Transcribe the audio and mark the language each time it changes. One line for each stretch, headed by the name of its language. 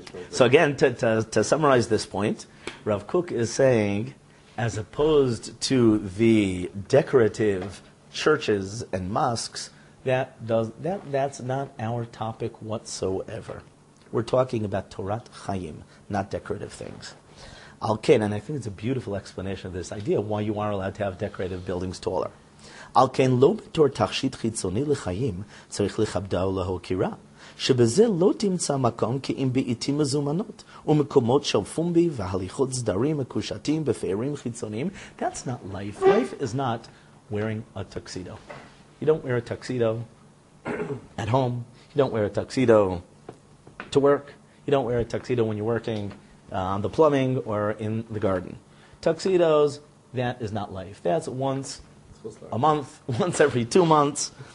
English: So again, to summarize this point, Rav Kook is saying, as opposed to the decorative churches and mosques, that's not our topic whatsoever. We're talking about Torat Chaim, not decorative things. Alken, and I think it's a beautiful explanation of this idea why you are allowed to have decorative buildings taller.
Hebrew: Alken lo b'tor tachshit chitzoni l'chaim tzarich lechabdao lehokira. שבזה לא תמצא מקום כי אם בעיתים מזומנות, ומקומות של פומבי והליכות סדרים מקושטים בפערים חיצוניים.
English: That's not life. Life is not wearing a tuxedo. You don't wear a tuxedo at home. You don't wear a tuxedo to work. You don't wear a tuxedo when you're working on the plumbing or in the garden. Tuxedos, that is not life. That's once a month, once every 2 months.